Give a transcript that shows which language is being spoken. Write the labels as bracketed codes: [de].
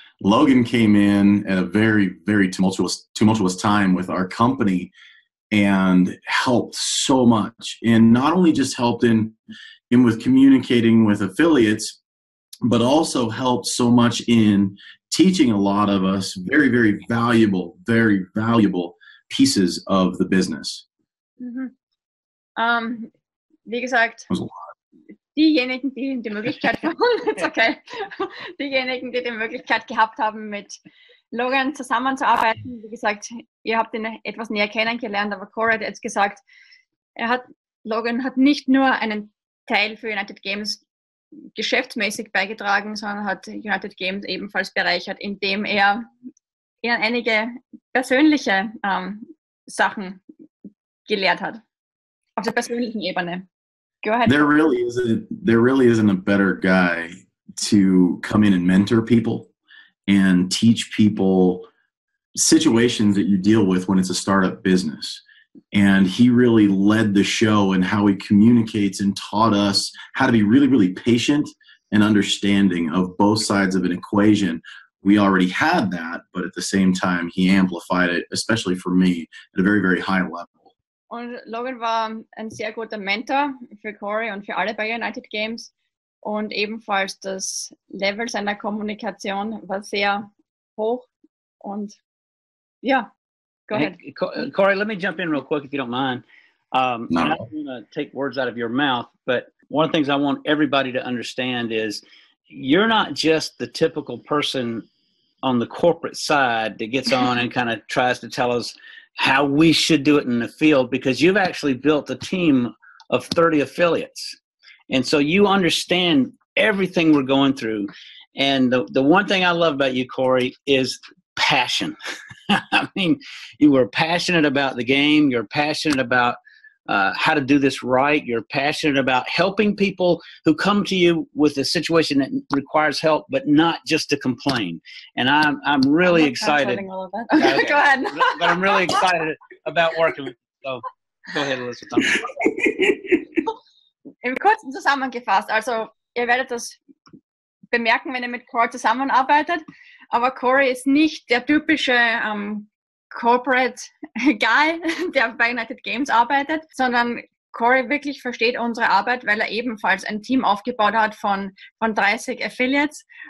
[en] Logan came in at a very, very tumultuous time with our company and helped so much. And not only just helped in with communicating with affiliates, but also helped so much in teaching a lot of us very, very valuable, very valuable pieces of the business. Mm-hmm. [de] Wie gesagt, diejenigen, die die Möglichkeit haben, [en] it's okay. [de] Diejenigen, die die Möglichkeit gehabt haben, mit Logan zusammenzuarbeiten, wie gesagt, ihr habt ihn etwas näher kennengelernt, aber Corey hat jetzt gesagt, Logan hat nicht nur einen Teil für United Games geschäftsmäßig beigetragen, sondern hat United Games ebenfalls bereichert, indem er ihnen einige persönliche Sachen gelehrt hat. Auf der persönlichen Ebene. [en] Go ahead. There really isn't a better guy to come in and mentor people and teach people situations that you deal with when it's a startup business. And he really led the show in how he communicates and taught us how to be really, really patient and understanding of both sides of an equation. We already had that, but at the same time, he amplified it, especially for me, at a very, very high level. [de] Und Logan war ein sehr guter Mentor für Corey und für alle bei United Games. Und ebenfalls das Level seiner Kommunikation war sehr hoch. Und ja. [en] Yeah. Go ahead. Hey, Corey, let me jump in real quick if you don't mind. No. I don't want to take words out of your mouth, but one of the things I want everybody to understand is you're not just the typical person on the corporate side that gets on and kind of tries to tell us how we should do it in the field, because you've actually built a team of 30 affiliates. And so you understand everything we're going through. And the one thing I love about you, Corey, is passion. I mean, you were passionate about the game. You're passionate about how to do this right. You're passionate about helping people who come to you with a situation that requires help, but not just to complain. And I'm really excited. All of that. Okay. Go ahead. But I'm really excited about working with you. So go ahead, Elizabeth. [de] Im Kurzen zusammengefasst. Also, ihr werdet das bemerken, wenn ihr mit Core zusammenarbeitet. Aber Corey ist nicht der typische Corporate Guy, der bei United Games arbeitet, sondern Corey wirklich versteht unsere Arbeit, weil er ebenfalls ein Team aufgebaut hat von 30 Affiliates.